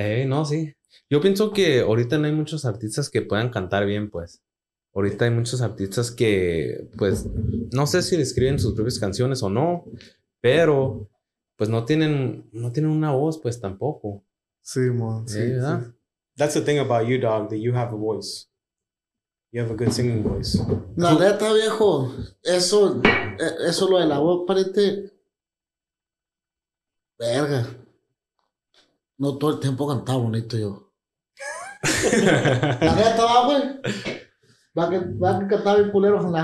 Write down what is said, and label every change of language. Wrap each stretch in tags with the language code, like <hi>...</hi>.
<es>No, sí. Yo pienso que ahorita no hay muchos artistas que puedan cantar bien, pues. Ahorita hay muchos artistas que, pues, no sé si escriben sus propias canciones o no, pero, pues, no tienen una voz, pues, tampoco. Sí, man. Sí, ¿verdad? Sí.</es> <en>That's the thing about you, dog, that you have a voice. You have a good singing voice.</en> <es>La neta, viejo, eso lo de la voz, parece... Verga. No todo el tiempo cantaba bonito yo. La neta, güey. Va a cantar bien culero con la</es>